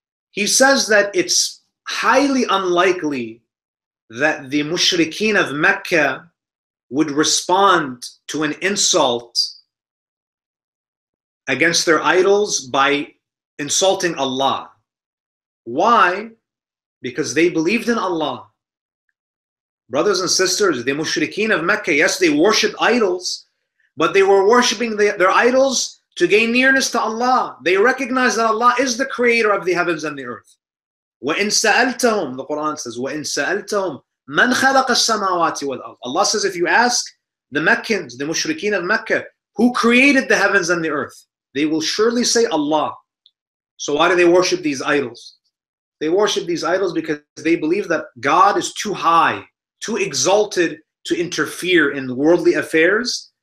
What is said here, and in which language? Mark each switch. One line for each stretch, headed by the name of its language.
English: He says that it's highly unlikely that the mushrikeen of Mecca would respond to an insult against their idols by insulting Allah. Why? Because they believed in Allah. Brothers and sisters, the mushrikeen of Mecca, yes, they worshipped idols, but they were worshipping their idols to gain nearness to Allah. They recognized that Allah is the creator of the heavens and the earth.
Arabic: وَإِنْ سَأَلْتَهُمْ,
English: the Quran says,
Arabic: وَإِنْ سَأَلْتَهُمْ مَنْ خَلَقَ السَّمَاوَاتِ وَالْأَرْضِ.
English: Allah says, if you ask the Meccans, the mushrikeen of Mecca, who created the heavens and the earth, they will surely say Allah. So why do they worship these idols? They worship these idols because they believe that God is too high, too exalted to interfere in worldly affairs.